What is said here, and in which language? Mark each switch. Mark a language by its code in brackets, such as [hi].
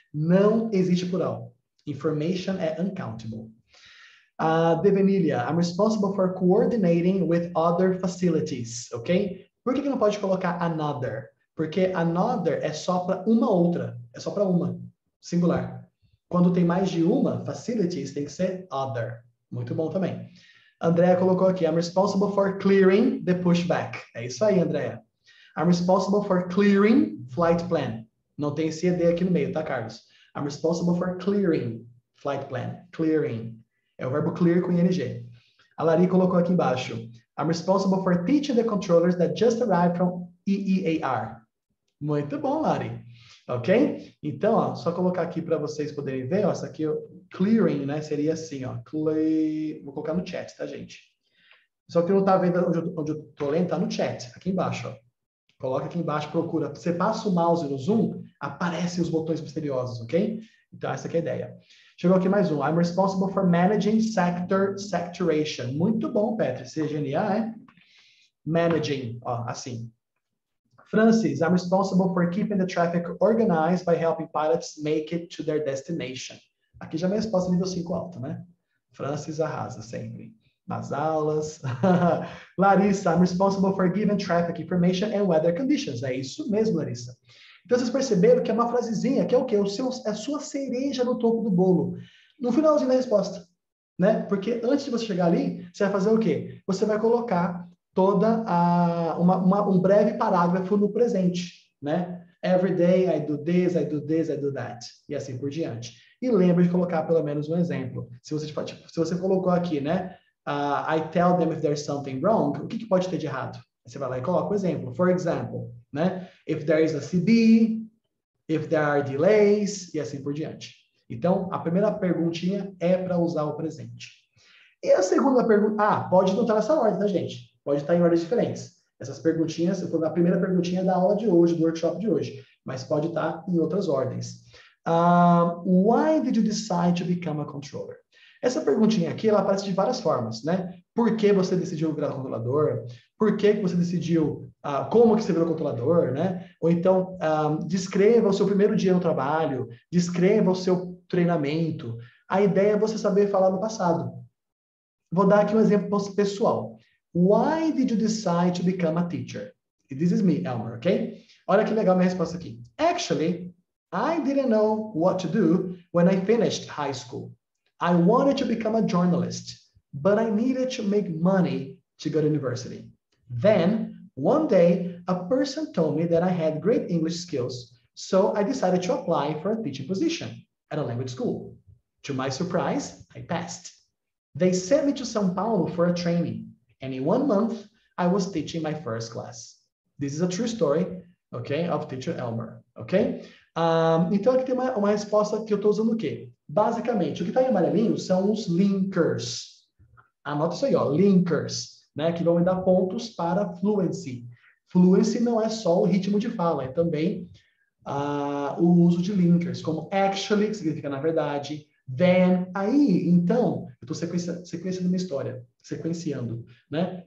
[pt] Não existe plural. Information é uncountable. Devenilia. [en] I'm responsible for coordinating with other facilities. Ok? [pt] Por que não pode colocar another? Porque another é só para uma outra. É só para uma. Singular. Quando tem mais de uma, facilities tem que ser other. Muito bom também. Andrea colocou aqui, [en] I'm responsible for clearing the pushback. [pt] É isso aí, Andrea. [en] I'm responsible for clearing flight plan. [pt] Não tem esse ED aqui no meio, tá, Carlos? [en] I'm responsible for clearing flight plan. Clearing. [pt] É o verbo clear com ing. A Lari colocou aqui embaixo, [en] I'm responsible for teaching the controllers that just arrived from EEAR. [pt] Muito bom, Lari. Ok? Então, ó, só colocar aqui para vocês poderem ver, ó, essa aqui, ó, clearing, né? Seria assim, ó. Vou colocar no chat, tá, gente? Só que não tá vendo onde eu tô lendo, tá no chat, aqui embaixo, ó. Coloca aqui embaixo, procura. Você passa o mouse no Zoom, aparecem os botões misteriosos, ok? Então, essa aqui é a ideia. Chegou aqui mais um. [en] I'm responsible for managing sector saturation. [pt] Muito bom, Petri. CGNA, é? Managing, ó, assim. [en] Francis, I'm responsible for keeping the traffic organized by helping pilots make it to their destination. [pt] Aqui já é minha resposta nível 5 alto, né? Francis arrasa sempre. Nas aulas. [en] Larissa, I'm responsible for giving traffic information and weather conditions. [pt] É isso mesmo, Larissa. Então vocês perceberam que é uma frasezinha, que é o quê? É a sua cereja no topo do bolo. No finalzinho da resposta, né? Porque antes de você chegar ali, você vai fazer o quê? Você vai colocar toda um breve parágrafo no presente, né? [en] Every day I do this, I do this, I do that. [pt] E assim por diante. E lembra de colocar pelo menos um exemplo. Se você colocou aqui, né? [en] I tell them if there's something wrong, [pt] o que que pode ter de errado? Você vai lá e coloca o um exemplo. [en] For example, [pt] né? [en] If there is a CB, if there are delays, [pt] e assim por diante. Então, a primeira perguntinha é para usar o presente. E a segunda pergunta. Ah, pode notar essa ordem, tá, gente? Pode estar em ordens diferentes. Essas perguntinhas, eu estou na primeira perguntinha da aula de hoje, do workshop de hoje, mas pode estar em outras ordens. [en] Why did you decide to become a controller? [pt] Essa perguntinha aqui, ela aparece de várias formas, né? Por que você decidiu virar controlador? Por que você decidiu, como que você virou controlador, né? Ou então, descreva o seu primeiro dia no trabalho, descreva o seu treinamento. A ideia é você saber falar no passado. Vou dar aqui um exemplo pessoal. [en] Why did you decide to become a teacher? This is me, Elmer, ok? [pt] Olha que legal minha resposta aqui. [en] Actually, I didn't know what to do when I finished high school. I wanted to become a journalist, but I needed to make money to go to university. Then, one day, a person told me that I had great English skills, so I decided to apply for a teaching position at a language school. To my surprise, I passed. They sent me to São Paulo for a training, and in 1 month, I was teaching my first class. This is a true story, okay, of teacher Elmer, okay? [pt] Então, aqui tem uma resposta que eu estou usando o quê? Basicamente, o que está em amarelinho são os linkers. Anota isso aí, ó, linkers, né? Que vão me dar pontos para fluency. Fluency não é só o ritmo de fala, é também o uso de linkers, como actually, que significa na verdade, then, aí, então, eu estou sequenciando minha história, sequenciando, né?